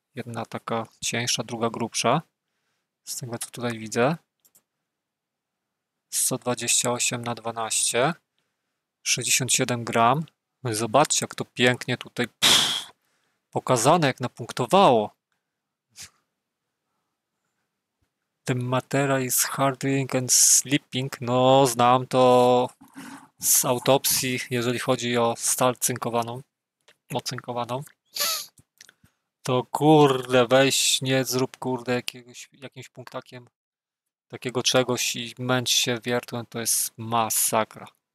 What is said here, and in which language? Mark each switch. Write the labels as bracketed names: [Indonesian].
[Polish] Jedna taka cieńsza, druga grubsza. Z tego co tutaj widzę. 128 na 12. 67 gram. No i zobaczcie, jak to pięknie tutaj pokazane, jak napunktowało. [English] The matter is hardening and slipping. [Polish] No, znam to z autopsji, jeżeli chodzi o stal cynkowaną. Ocynkowaną. To kurde, weź nie zrób kurde jakiegoś, jakimś punktakiem takiego czegoś i męcz się wiertłem, to jest masakra.